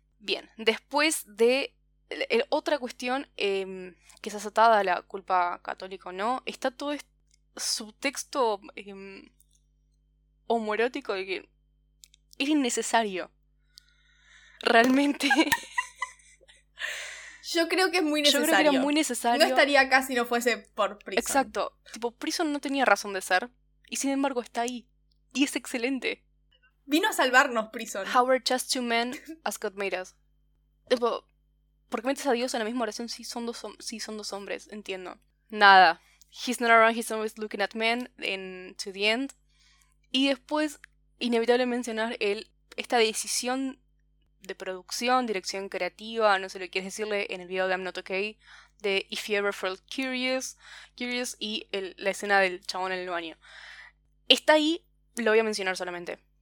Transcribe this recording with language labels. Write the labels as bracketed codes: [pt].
[es] Bien, después de otra cuestión, que es atada a la culpa católica o no, está todo subtexto homoerótico de que es innecesario. Realmente. Yo creo que es muy necesario. Yo creo que era muy necesario. No estaría acá si no fuese por Prison. Exacto. Tipo, Prison no tenía razón de ser. Y sin embargo está ahí. Y es excelente. Vino a salvarnos, Prison. [en] How we're just two men as God made us. [es] Tipo, ¿por qué metes a Dios en la misma oración si son dos hombres? Entiendo. Nada. [en] He's not around, he's always looking at men to the end. [es] Y después, inevitable mencionar esta decisión de producción, dirección creativa, no sé lo que quieres decirle, en el video de I'm Not Okay, de If You Ever Felt Curious, y la escena del chabón en el baño. Está ahí, lo voy a mencionar solamente.